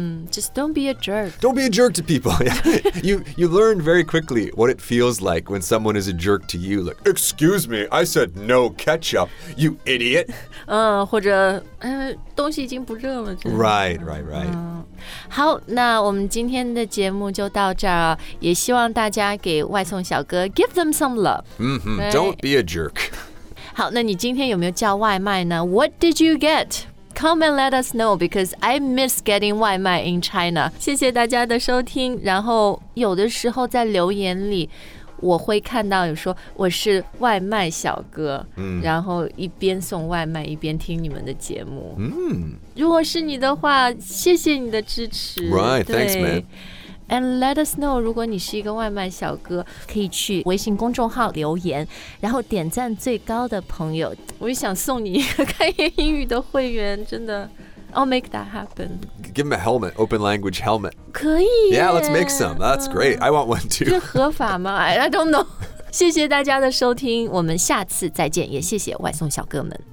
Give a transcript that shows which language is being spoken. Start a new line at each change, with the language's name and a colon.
English: Just don't be a jerk. Don't be a jerk to people. you learn very quickly what it feels like when someone is a jerk to you. Like, excuse me, I said no ketchup, you idiot.
Chinese: 或者、东西已经不热了。
English: Right, right, right.、
Chinese: 好那我们今天的节目就到这儿、也希望大家给外送小哥
English: give them some love.、 Right? Don't be a jerk.
Chinese: 好，那你今天有没有叫外卖呢？
English: What did you get? Come and let us know because I miss getting 外卖 in China.
Chinese: 谢谢大家的收听，然后有的时候在留言里我会看到有说我是外卖小哥、嗯、然后一边送外卖一边听你们的节目、嗯、如果是你的话谢谢你的支持
English: Right, thanks man And let us know
Chinese: 如果你是一个外卖小哥可以去微信公众号留言然后点赞最高的朋友我也想送你一个开言英语的会员真的
English: I'll make that happen Give him a helmet, open language helmet
Chinese: 可以
English: Yeah, let's make some, that's great, I want one too
Chinese: 这合法吗
English: I don't know
Chinese: 谢谢大家的收听我们下次再见也谢谢外送小哥们